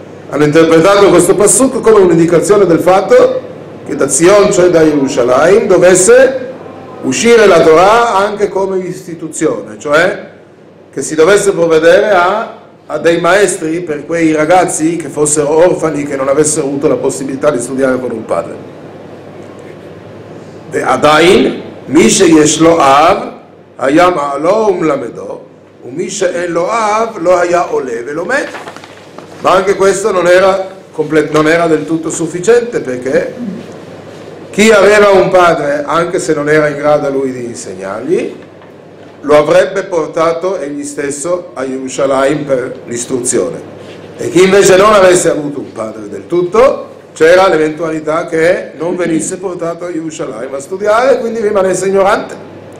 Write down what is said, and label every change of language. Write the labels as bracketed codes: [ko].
[it] Hanno interpretato questo pasuk come un'indicazione del fatto che da Zion, cioè da Yerushalayim, dovesse uscire la Torah anche come istituzione, cioè che si dovesse provvedere a dei maestri per quei ragazzi che fossero orfani, che non avessero avuto la possibilità di studiare con un padre. [he] ועדיין מי שיש לו אב היה מעלו ומלמדו ומי שאין לו אב לא היה עולה ולומד. [it] Ma anche questo non era del tutto sufficiente, perché chi aveva un padre, anche se non era in grado lui di insegnargli, lo avrebbe portato egli stesso a Yerushalayim per l'istruzione, e chi invece non avesse avuto un padre del tutto, c'era l'eventualità che non venisse portato a Yerushalayim a studiare, quindi rimanesse ignorante.